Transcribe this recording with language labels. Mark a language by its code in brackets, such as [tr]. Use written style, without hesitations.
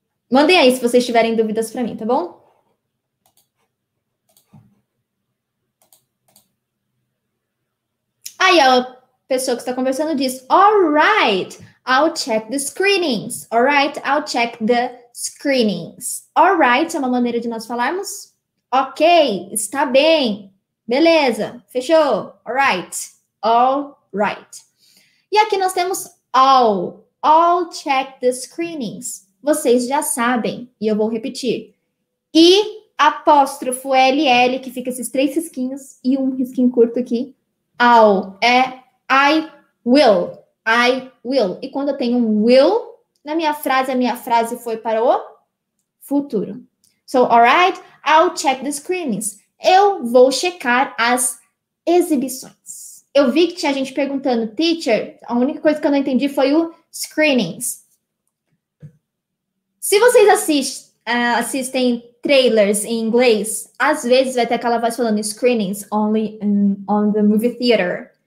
[pt] Mandem aí se vocês tiverem dúvidas para mim, tá bom? Aí a pessoa que está conversando diz, [en] alright, I'll check the screenings. Alright, I'll check the screenings. [pt] Alright é uma maneira de nós falarmos. Ok, está bem. Beleza, fechou. Alright. Alright. E aqui nós temos [en] All check the screenings. [pt] Vocês já sabem, e eu vou repetir. E apóstrofo LL, que fica esses três risquinhos e um risquinho curto aqui. [en] All é I will. I will. [pt] E quando eu tenho um will na minha frase foi para o futuro. [en] So, all right, I'll check the screenings. [pt] Eu vou checar as exibições. Eu vi que tinha gente perguntando, teacher, a única coisa que eu não entendi foi o screenings. Se vocês assistem trailers em inglês, às vezes vai ter aquela voz falando [en] screenings only on the movie theater.